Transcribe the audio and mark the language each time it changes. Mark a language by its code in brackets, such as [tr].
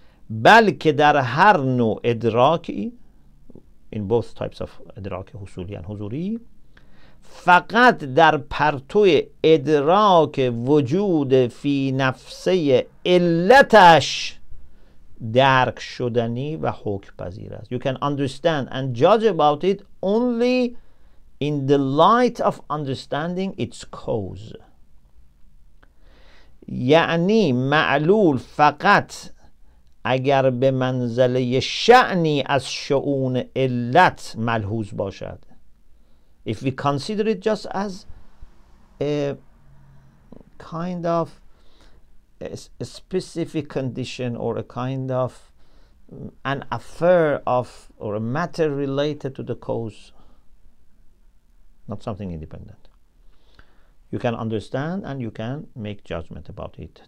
[fa] بلکه در هر نوع ادراکی, [en] in both types of [fa] ادراک حصولی و حضوری, فقط در پرتو ادراک وجود فی نفسه علتش درک شدنی و حکم پذیر است. [en] You can understand and judge about it only in the light of understanding its cause. [fa] یعنی معلول فقط اگر به منزله شعنی از شعون علت ملحوظ باشد. [en] If we consider it just as a kind of a specific condition or a kind of an affair of or a matter related to the cause, not something independent, you can understand and you can make judgment about it.